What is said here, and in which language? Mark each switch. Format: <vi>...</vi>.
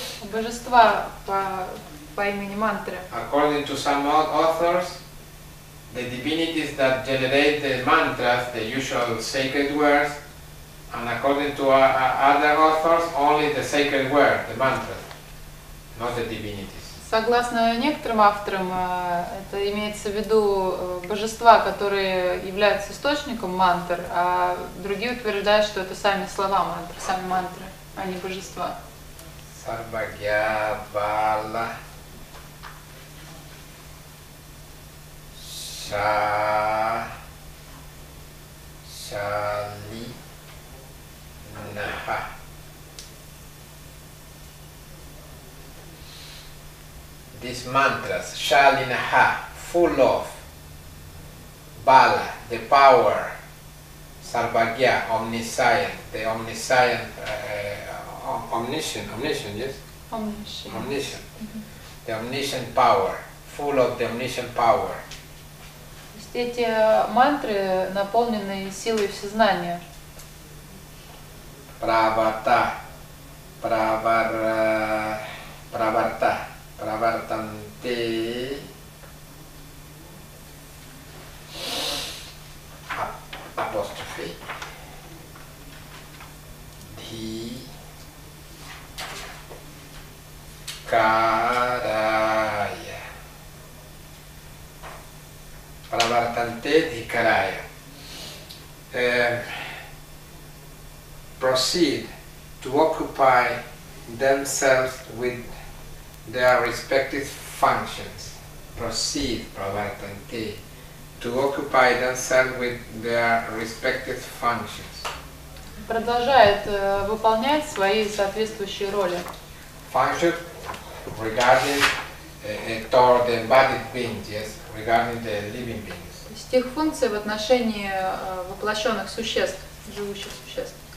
<ru>Божества по имени мантры.</ru> <en>According to some authors, the divinities that generate the mantras, the usual sacred words, and according to other authors, only the sacred word, the mantra, not the divinities.</en> <ru>Согласно некоторым авторам, это имеется в виду божества, которые являются источником мантр, а другие утверждают, что это сами слова мантр, сами мантры, а не божества.</ru> <sa>Сарвагья Бала Ша Шали Наха.</sa> <en>These mantras, Shalinaha, full of Bala, the power, Sarvagya, omniscient, the omniscient, omniscient, yes? Omniscient. Omniscient. Mm-hmm. The omniscient power, full of the omniscient power.</en> <ru>Эти мантры наполнены силой всезнания.</ru> <sa>Правата, правар, праварта. Pravartante apostrophe dhi karaya. Pravartante dhi karaya.</sa> <en>Proceed to occupy themselves with their respective functions. Proceed, pravartante, to occupy themselves with their respective functions.</en> <ru>Продолжает выполнять свои соответствующие роли.</ru> <en>Function regarding toward the embodied beings, yes, regarding the living beings.</en> <ru>То есть их функции в отношении воплощенных существ, живущих существ.</ru>